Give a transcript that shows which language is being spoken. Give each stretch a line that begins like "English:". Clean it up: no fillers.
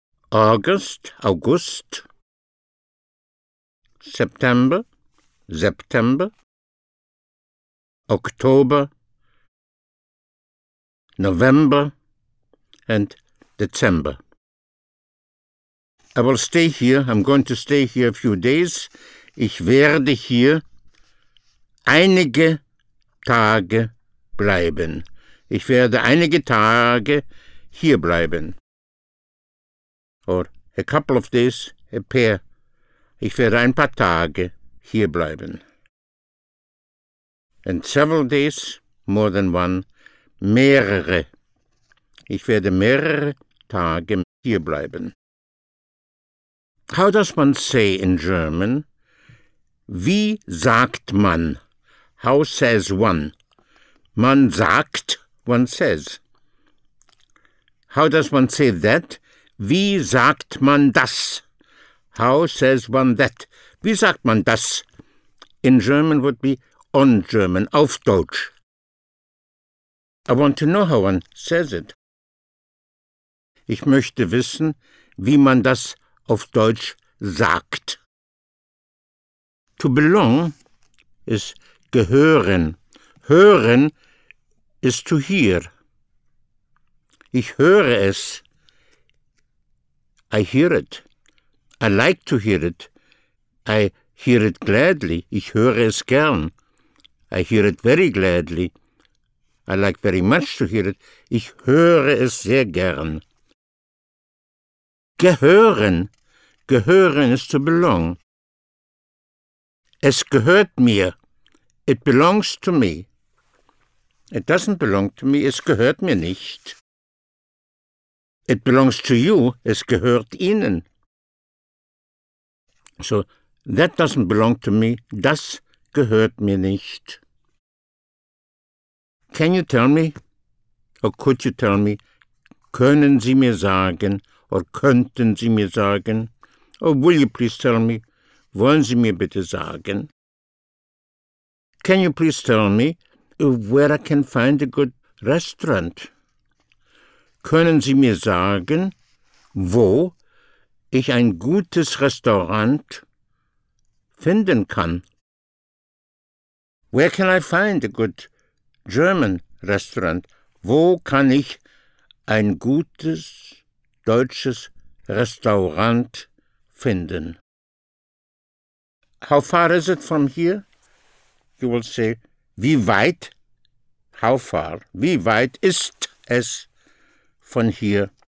English: August, August. September, September. October, November, and December. I will stay here. I'm going to stay here a few days.
German: Ich werde hier einige Tage bleiben. Ich werde einige Tage hier bleiben.
English: Or a couple of days, a pair.
German: Ich werde ein paar Tage hier bleiben.
English: And several days, more than one, mehrere.
German: Ich werde mehrere Tage hier bleiben.
English: How does man say in German?
German: Wie sagt man?
English: How says one?
German: Man sagt,
English: one says. How does man say that?
German: Wie sagt man das?
English: How says one that?
German: Wie sagt man das?
English: In German would be on German,
German: auf Deutsch.
English: I want to know how one says it.
German: Ich möchte wissen, wie man das auf Deutsch sagt.
English: To belong is gehören. Hören is to hear.
German: Ich höre es.
English: I hear it. I like to hear it. I hear it gladly.
German: Ich höre es gern.
English: I hear it very gladly. I like very much to hear it.
German: Ich höre es sehr gern. Gehören.
English: Gehören is to belong.
German: Es gehört mir.
English: It belongs to me. It doesn't belong to me.
German: Es gehört mir nicht.
English: It belongs to you.
German: Es gehört Ihnen.
English: So, that doesn't belong to me.
German: Das gehört mir nicht.
English: Can you tell me, or could you tell me,
German: können Sie mir sagen,
English: or
German: könnten Sie mir sagen,
English: or will you please tell me,
German: wollen Sie mir bitte sagen?
English: Can you please tell me where I can find a good restaurant?
German: Können Sie mir sagen, wo ich ein gutes Restaurant finden kann?
English: Where can I find a good German restaurant?
German: Wo kann ich ein gutes deutsches Restaurant finden?
English: How far is it from here? You will say,
German: wie weit?
English: How far?
German: Wie weit ist es von hier?